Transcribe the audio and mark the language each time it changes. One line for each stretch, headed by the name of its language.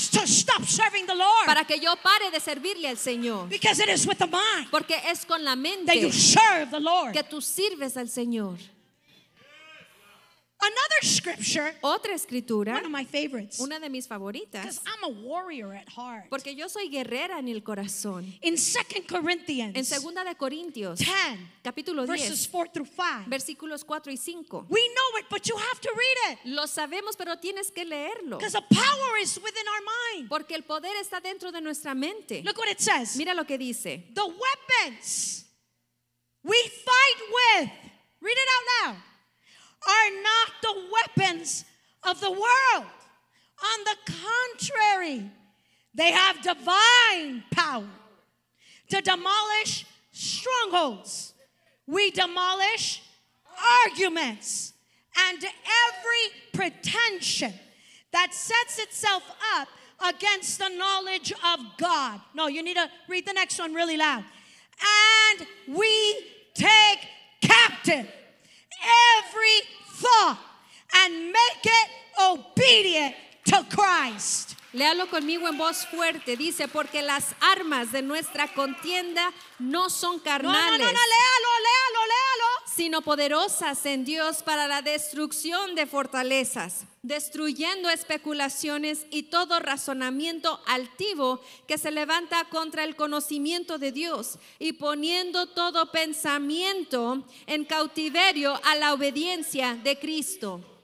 English: to stop serving the Lord.
Spanish: Para que yo pare de servirle al Señor.
English: Because it is with the mind.
Spanish: Porque es con la mente.
English: That you serve the Lord.
Spanish: Que tú sirves al Señor.
English: Another scripture.
Spanish: Otra escritura.
English: One of my favorites.
Spanish: Una de mis favoritas.
English: Because I'm a warrior at heart.
Spanish: Porque yo soy guerrera en el corazón.
English: In 2 Corinthians.
Spanish: En 2 de Corintios.
English: 10.
Spanish: Capítulo 10.
English: Verses 4 through 5.
Spanish: Versículos 4 y 5.
English: We know it, but you have to read it.
Spanish: Lo sabemos, pero tienes que leerlo.
English: Because the power is within our mind.
Spanish: Porque el poder está dentro de nuestra mente.
English: Look what it says.
Spanish: Mira lo que dice.
English: The weapons we fight with. Read it out loud. Are not the weapons of the world. On the contrary, they have divine power to demolish strongholds. We demolish arguments and every pretension that sets itself up against the knowledge of God. No, you need to read the next one really loud. And we take captive every thought and make it obedient to Christ.
Spanish: Léalo conmigo en voz fuerte. Dice, porque las armas de nuestra contienda no son carnales. No, no, no, no, léalo, léalo, léalo. Sino poderosas en Dios para la destrucción de fortalezas, destruyendo especulaciones y todo razonamiento altivo que se levanta contra el conocimiento de Dios, y poniendo todo pensamiento en cautiverio a la obediencia de Cristo.